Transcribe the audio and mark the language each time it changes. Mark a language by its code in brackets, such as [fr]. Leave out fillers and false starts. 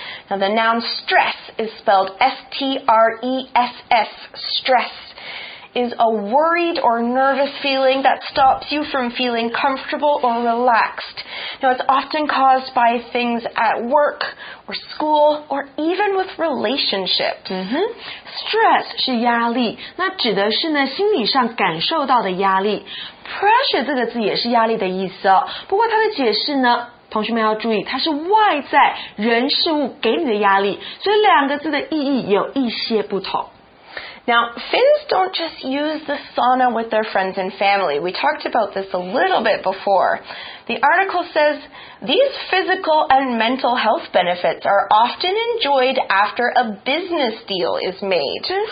[en] Now, the noun stress is spelled S-T-R-E-S-S, stress. Is a worried or nervous feeling that stops you from feeling comfortable or relaxed. Now, it's often caused by things at work or school or even with relationships. [zh] Stress 是压力，那指的是呢心理上感受到的压力。 Pressure 这个字也是压力的意思哦。不过它的解释呢，同学们要注意，它是外在人事物给你的压力，所以两个字的意义有一些不同。 [en] Now, Finns don't just use the sauna with their friends and family. We talked about this a little bit before. The article says, these physical and mental health benefits are often enjoyed after a business deal is made.